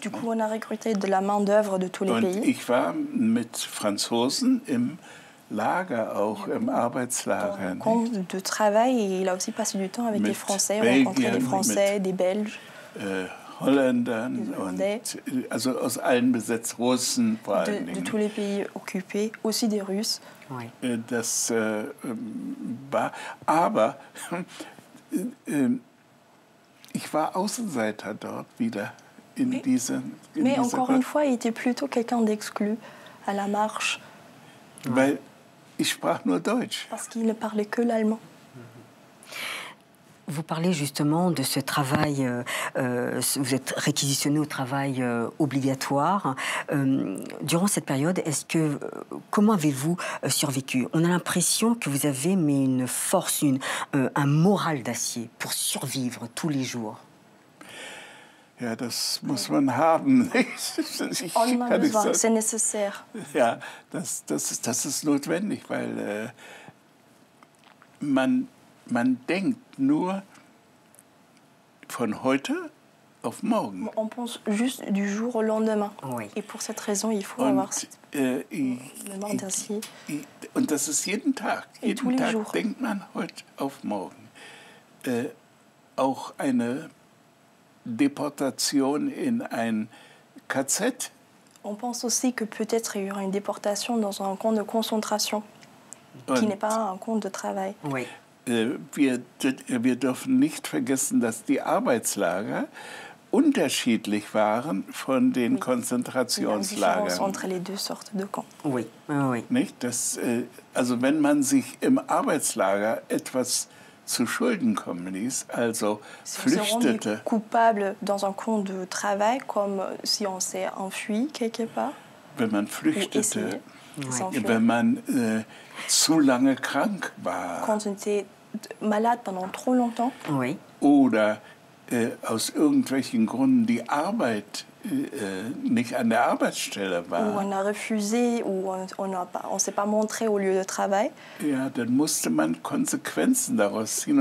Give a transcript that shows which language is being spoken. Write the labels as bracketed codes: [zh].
[fr] Du coup, on a recruté de la main d'œuvre de tous les pays. [de] Und ich war mit Franzosen im Lager auch, im Arbeitslager. [fr] Donc, compte de travail, il a aussi passé du temps avec des Français, rencontré des Français, des Belges. [de] Holländern und also aus allen besetzten Russen vor allen Dingen. [fr] De tous les pays occupés, aussi des Russes. Oui. [de] Das war, aber ich war Außenseiter dort wieder in diesem. [fr] Mais encore une fois, il était plutôt quelqu'un d'exclu à la marche. [de] Weil ich sprach nur Deutsch. [fr] Parce qu'il ne parlait que l'allemand. Vous parlez justement de ce travail, vous êtes réquisitionné au travail obligatoire. Durant cette période, est-ce que, comment avez-vous survécu? On a l'impression que vous avez mis une force, un moral d'acier pour survivre tous les jours. [de] Ja, das muss man haben. [fr] On a besoin, c'est nécessaire. [de] Ja, das ist notwendig, weil man denkt nur von heute auf morgen. [fr] On pense juste du jour au lendemain. Oui. Et pour cette raison, il faut avoir cette mémoire d'acier. [de] Und das ist jeden Tag. [fr] Et [de] jeden Tag [fr] jours. [de] Denkt man heute auf morgen. Auch eine Deportation in ein KZ. [fr] On pense aussi que peut-être il y aura une déportation dans un camp de concentration, qui n'est pas un camp de travail. Oui. [de] Wir dürfen nicht vergessen, dass die Arbeitslager unterschiedlich waren von den oui. Konzentrationslagern. [fr] Oui, entre les deux sortes de camps. Oui, oui. [de] Nicht? Also wenn man sich im Arbeitslager etwas zu Schulden kommen ließ, also [fr] si [de] flüchtete. [fr] Si on coupable dans un camp de travail, comme si on s'est enfui quelque part. [de] Wenn man flüchtete. Wenn man zu lange krank war. [fr] Quand on était malade pendant trop longtemps. Oui. [de] Oder aus irgendwelchen Gründen die Arbeit nicht an der Arbeitsstelle war. [fr] Ou on a refusé, ou on s'est pas montré au lieu de travail. [de] Ja, dann musste man Konsequenzen daraus ziehen.